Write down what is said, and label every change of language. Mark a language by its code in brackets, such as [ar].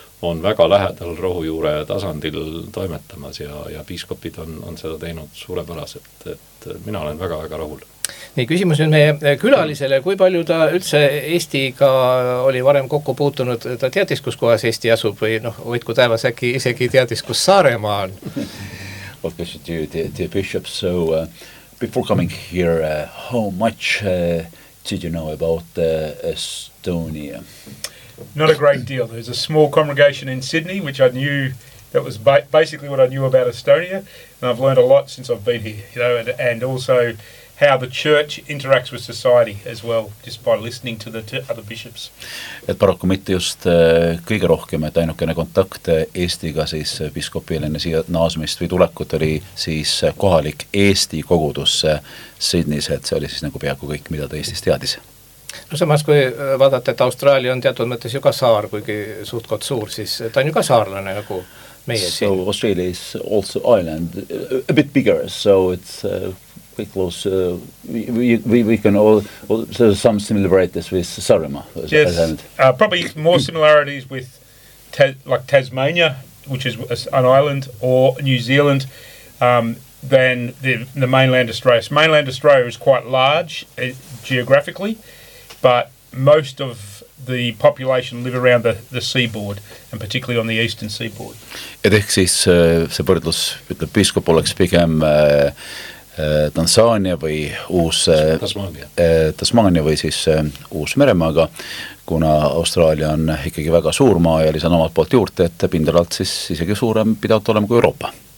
[et] on väga lähedal rohujuure tasandil toimetamas ja piiskopid on seda teinud suurepäraselt, et mina olen väga-väga rahul. Nii, küsimus nüüd meie külalisele, kui palju ta üldse Eestiga oli varem kokku puutunud, ta teadis, kus kohas Eesti asub või noh, võitku taevas äkki isegi teadis, kus Saaremaa on? [en] Well, because you, dear Bishop, so before coming here, how much did you know about Estonia? Not a great deal. There's a small congregation in Sydney, which I knew, that was basically what I knew about Estonia, and I've learned a lot since I've been here, you know, and also how the church interacts with society as well, just by listening to the other bishops. [et] Et paraku mitte just kõige rohkem, et ainukene kontakt Eestiga siis piskopil enne siia naasmist või tulekut oli siis kohalik Eesti kogudus Sydneys, et see oli siis nagu peaaegu kõik, mida ta Eestis teadis. No samas kui vaadata, et Austraalia on teatud mõttes ju ka saar, kuigi suhtkot suur, siis ta on ju ka saarlane nagu meie siin. [en] So Australia is also island, a bit bigger, so it's quite close. We can all, there's some similarities with Saaremaa. Yes, probably more similarities with like Tasmania, which is an island, or New Zealand, than the mainland Australia. So mainland Australia is quite large geographically. But most of the population live around the seaboard, and particularly on the eastern seaboard. [et] Et ehk siis see põrdlus, ütleb piiskop, oleks pigem Tansaania või uus Tasmaania või siis uus Meremaaga, kuna Austraalia on ikkagi väga suur maa ja lisan omalt poolt juurde, et pindalalt siis isegi suurem pidavad olema kui Euroopa.